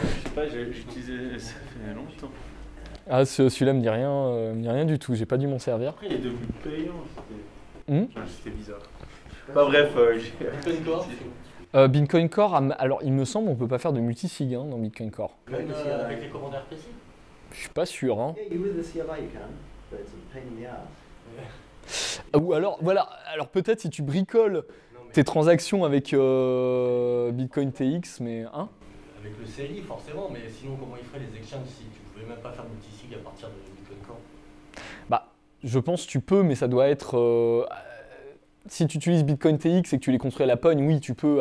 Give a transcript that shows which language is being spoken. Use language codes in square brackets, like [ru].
[fr] Je sais pas, j'ai utilisé ça fait longtemps. Ah, celui-là me dit rien du tout, j'ai pas dû m'en servir. Après, il est devenu payant, c'était bizarre. Bah, bref, j'ai. Bitcoin Core, alors il me semble qu'on ne peut pas faire de multisig hein, dans Bitcoin Core. Avec les commandes RPC? Je suis pas sûr. Hein. [en] Yeah, with the CLI, you can, but it's a pain in the ass. [fr] Ou alors, voilà, alors peut-être si tu bricoles tes transactions avec Bitcoin TX, mais. Hein, avec le CLI, forcément, mais sinon, comment ils feraient les exchanges si tu ne pouvais même pas faire multisig à partir de Bitcoin Core? Je pense que tu peux, mais ça doit être. Si tu utilises Bitcoin TX et que tu les construis à la pogne, oui, tu peux.